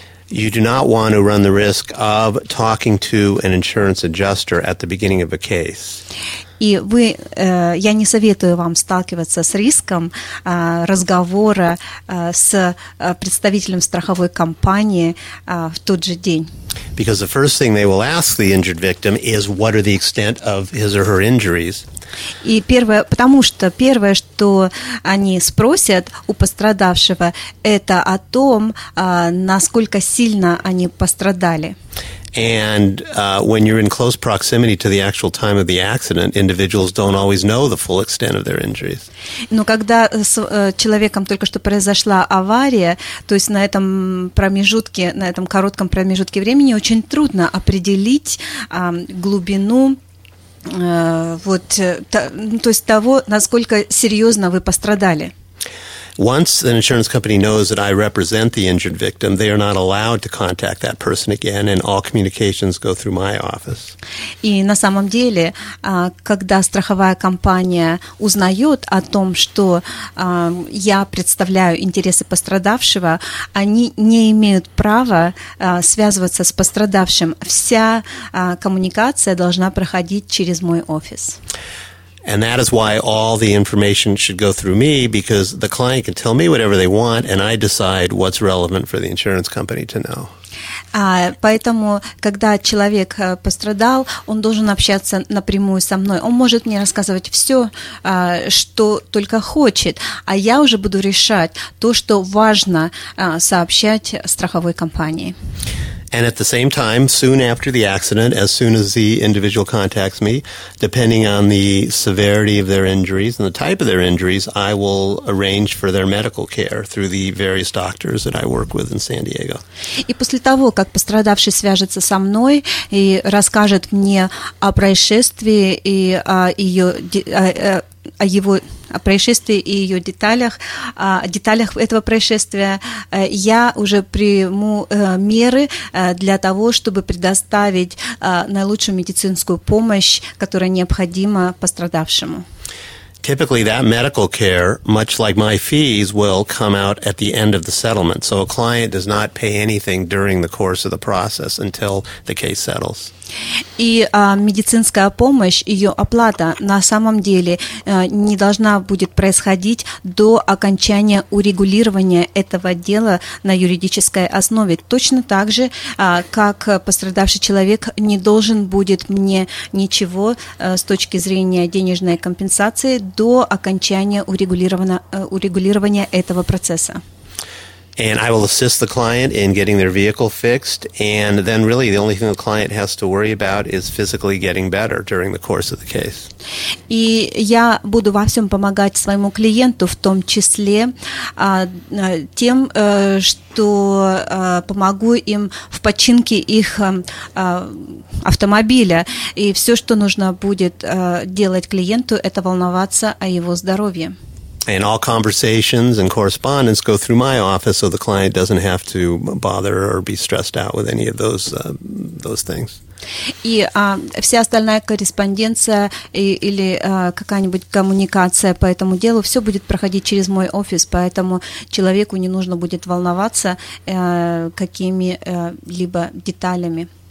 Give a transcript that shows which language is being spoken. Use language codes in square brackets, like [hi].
[en] You do not want to run the risk of talking to an insurance adjuster at the beginning of a case. [ru] И вы, я не советую вам сталкиваться с риском разговора с представителем страховой компании в тот же день. [en] Because the first thing they will ask the injured victim is what are the extent of his or her injuries. [ru] И первое, потому что первое, что они спросят у пострадавшего, это о том, насколько сильно они пострадали. [en] And when you're in close proximity to the actual time of the accident, individuals don't always know the full extent of their injuries. [ru] Но когда с человеком только что произошла авария, то есть на этом промежутке, на этом коротком промежутке времени очень трудно определить глубину, вот, то есть того, насколько серьезно вы пострадали. [en] Once an insurance company knows that I represent the injured victim, they are not allowed to contact that person again, and all communications go through my office. [ru] И на самом деле, когда страховая компания узнает о том, что я представляю интересы пострадавшего, они не имеют права связываться с пострадавшим. Вся коммуникация должна проходить через мой офис. [en] And that is why all the information should go through me, because the client can tell me whatever they want, and I decide what's relevant for the insurance company to know. [ru] Поэтому, когда человек пострадал, он должен общаться напрямую со мной. Он может мне рассказывать все, что только хочет, а я уже буду решать то, что важно сообщать страховой компании. [en] And at the same time, soon after the accident, as soon as the individual contacts me, depending on the severity of their injuries and the type of their injuries, I will arrange for their medical care through the various doctors that I work with in San Diego. [ru] И после того, как пострадавший свяжется со мной и расскажет мне о происшествии и о происшествии и ее деталях, о деталях этого происшествия, я уже приму меры для того, чтобы предоставить наилучшую медицинскую помощь, которая необходима пострадавшему. [en] Typically, that medical care, much like my fees, will come out at the end of the settlement. So a client does not pay anything during the course of the process until the case settles. [ru] И медицинская помощь, ее оплата на самом деле не должна будет происходить до окончания урегулирования этого дела на юридической основе. Точно так же, как пострадавший человек не должен будет мне ничего с точки зрения денежной компенсации до окончания урегулирования этого процесса. [en] And I will assist the client in getting their vehicle fixed, and then really the only thing the client has to worry about is physically getting better during the course of the case. [ru] И я буду во всем помогать своему клиенту, в том числе тем, что помогу им в починке их автомобиля. И все, что нужно будет делать клиенту, это волноваться о его здоровье. [en] And all conversations and correspondence go through my office, so the client doesn't have to bother or be stressed out with any of those things. [ru] И вся остальная корреспонденция или какая-нибудь коммуникация по этому делу все будет проходить через мой офис, поэтому человеку не нужно будет волноваться какими-либо деталями.